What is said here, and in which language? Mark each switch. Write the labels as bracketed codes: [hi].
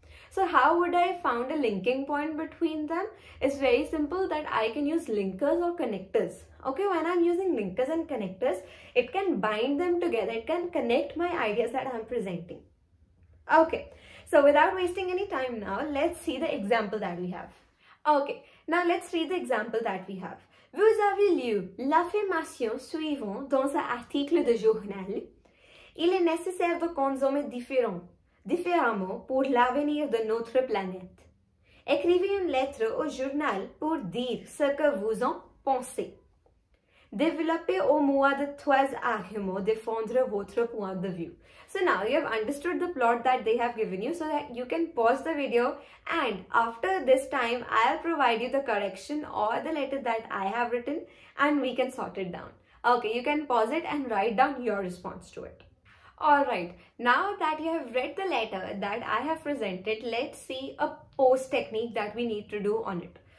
[en] So how would I found a linking point between them? It's very simple, that I can use linkers or connectors. Okay, when I'm using linkers and connectors, it can bind them together. It can connect my ideas that I'm presenting. Okay, so without wasting any time now, let's see the example that we have. Okay, now let's read the example that we have. [fr] Vous avez lu l'affirmation suivante dans un article de journal. Il est nécessaire de consommer différemment pour l'avenir de notre planète. Écrivez une lettre au journal pour dire ce que vous en pensez. Développez au moins de 3 arguments défendre votre point de vue. [en] So now you have understood the plot that they have given you, so that you can pause the video, and after this time I'll provide you the correction or the letter that I have written and we can sort it down. Okay, you can pause it and write down your response to it. Alright, now that you have read the letter that I have presented, let's see a post technique that we need to do on it.